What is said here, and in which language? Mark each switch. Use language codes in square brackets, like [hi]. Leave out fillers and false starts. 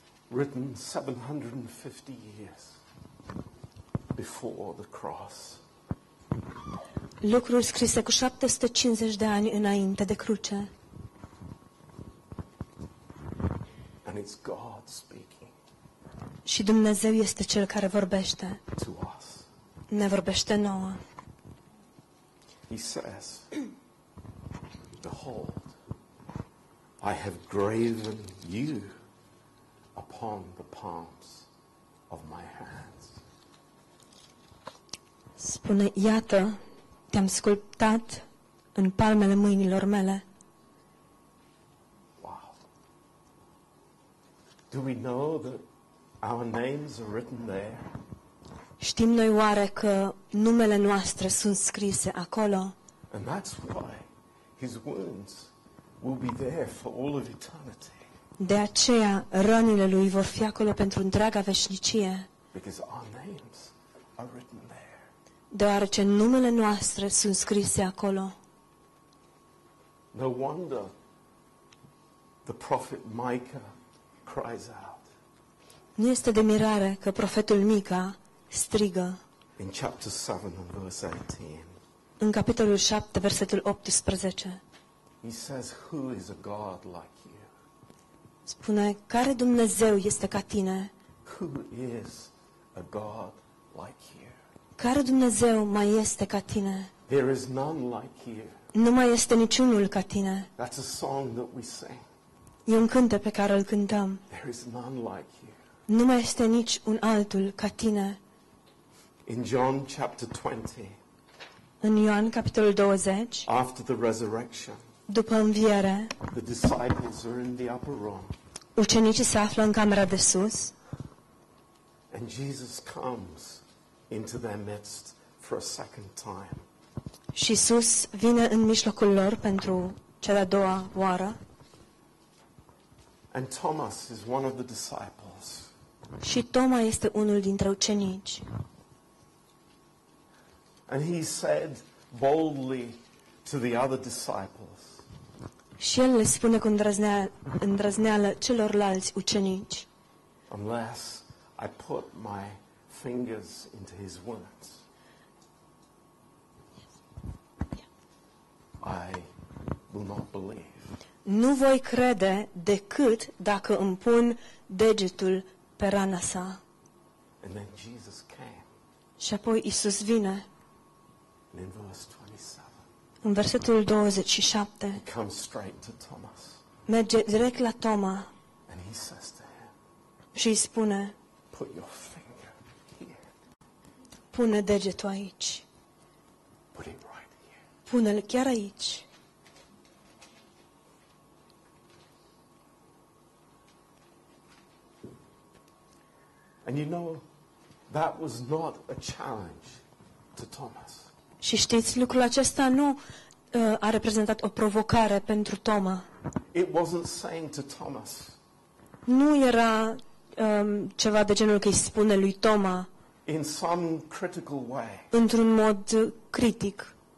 [en] Written 750 years before the cross. [ro] Lucrul scrise cu 750 de ani înainte de cruce. [en] And it's God speaking. [ro] Și Dumnezeu este cel care vorbește. [en] To us. [ro] Ne vorbește nouă. [en] He says, "Behold, I have graven you upon the palms of my hands." [ro] Spune, iată, te-am sculptat în palmele mâinilor mele. [en] Wow. Do we know that our names are written there? [ro] Știm noi oare că numele noastre sunt scrise acolo? [en] And that's why his wounds will be there for all of eternity. [ro] De aceea rănile lui vor fi acolo pentru întreaga veșnicie. [en] Because our names are written there. [ro] Deoarece numele noastre sunt scrise acolo. [en] No wonder the prophet Micah cries out. [ro] Nu este de mirare că profetul Mica strigă. [en] In chapter 7 and verse 18. [ro] În capitolul 7, versetul 18. [en] He says, "Who is a God like you?" [ro] Spune, care Dumnezeu este ca tine? [en] Who is a God like you? [ro] Care Dumnezeu mai este ca tine? [en] There is none like you. [ro] Nu mai este niciunul ca tine. [en] That's a song that we sing. [ro] E un cântec pe care îl cântăm. [en] There is none like you. [ro] Nu mai este nici un altul ca tine. [en] In John chapter 20. [ro] În Ioan capitolul 20. [en] After the resurrection. [ro] După înviere. [en] The disciples are in the upper room. [ro] Ucenicii se află în camera de sus. [en] And Jesus comes into their midst for a second time. [ro] Și Iisus vine în mijlocul lor pentru cea de-a doua oară. [en] And Thomas is one of the disciples. [ro] Și Toma este unul dintre ucenici. [en] And he said boldly to the other disciples. [ro] Și el le spune cu îndrăzneală celorlalți ucenici. [en] Unless I put my fingers into his wounds, I will not believe. [ro] Nu voi crede decât dacă îmi pun degetul pe rana sa. [en] And then Jesus came. [ro] Și apoi Iisus vine. [en] And in verse 27. [ro] În versetul 27. [en] He comes straight to Thomas. [ro] Merge direct la Toma. [en] And he says to him. [ro] Și spune, [en] put your finger. [ro] Pune degetul aici. [en] Put it right here. [ro] Pune-l chiar aici. [en] And you know, that was not a challenge to Thomas. [ro] Și știți, lucrul acesta nu a reprezentat o provocare pentru Toma. [en] It wasn't saying to Thomas. [ro] Nu era ceva de genul că îi spune lui Toma. [en] In some critical way. [ro] Într-un mod critic.